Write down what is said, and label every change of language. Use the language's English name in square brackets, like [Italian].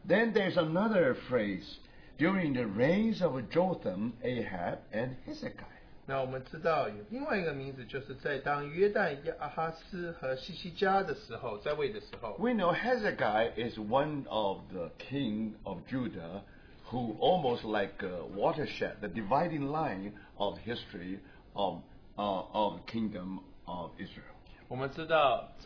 [English] Then there's another phrase during the reigns of Jotham, Ahab, and Hezekiah. [Chinese] 那我们知道有另外一个名字，就是在当约旦亚哈斯和西西家的时候，在位的时候。 [English] We know Hezekiah is one of the king of Judah, who almost like a watershed, the dividing line of history of kingdom of Israel.